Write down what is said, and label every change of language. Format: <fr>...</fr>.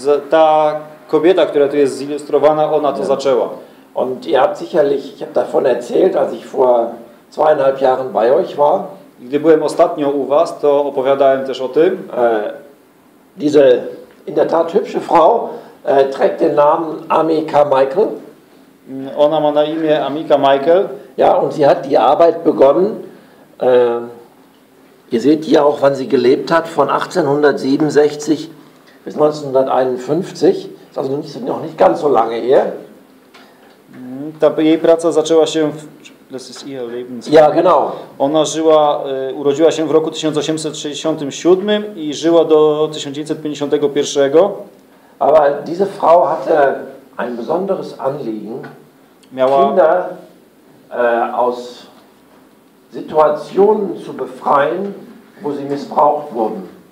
<pl>Ta kobieta, która tu jest zilustrowana, ona to zaczęła.</pl> <de>Und ihr habt sicherlich, ich habe davon erzählt, als ich vor 2,5 Jahren bei euch war.</de> <pl>Gdy byłem ostatnio u was, to opowiadałem też o tym.</pl> <de>Diese in der Tat hübsche Frau trägt den Namen Ami Carmichael.</de> <pl>Ona ma na imię Ami Carmichael.</pl> <de>Ja, und sie hat die Arbeit begonnen. Ihr seht hier auch, wann sie gelebt hat, von 1867 bis 1951. Ist also noch nicht ganz so lange her.</de> <pl>Ta jej praca zaczęła się w...</pl> <de>Das ist ihr Lebenszeit. Ja, genau.</de> <pl>Ona żyła, urodziła się w roku 1867 i żyła do 1951.</pl> <de>Aber diese Frau hatte ein besonderes Anliegen.</de> <pl>Miała</pl> <de>Kinder aus Situationen zu befreien, wo sie missbraucht wurden.</de>